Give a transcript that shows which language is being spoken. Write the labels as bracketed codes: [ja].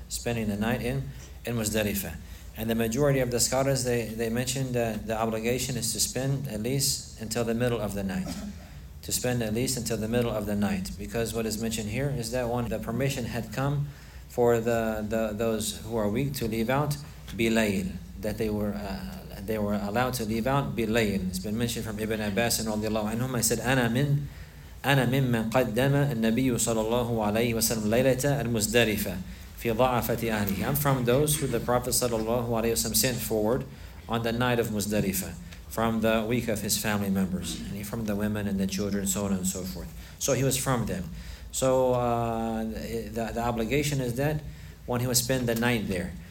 [en] Spending the night in Muzdalifah. And the majority of the scholars, they mentioned that the obligation is to spend at least until the middle of the night. To spend at least until the middle of the night. Because what is mentioned here is that when the permission had come for those who are weak to leave out, bilayl, that they were allowed to leave out bilayl. It's been mentioned from Ibn Abbas and radiallahu anhum. I said, [ar] أنا من من قدم النبي صلى الله عليه وسلم ليلة المزدلفة في ضعفة أهله. [en] I'm from those who the Prophet صلى الله عليه وسلم sent forward on the night of Muzdalifa, from the weak of his family members, and from the women and the children, so on and so forth. So he was from them. So the obligation is that when he would spend the night there.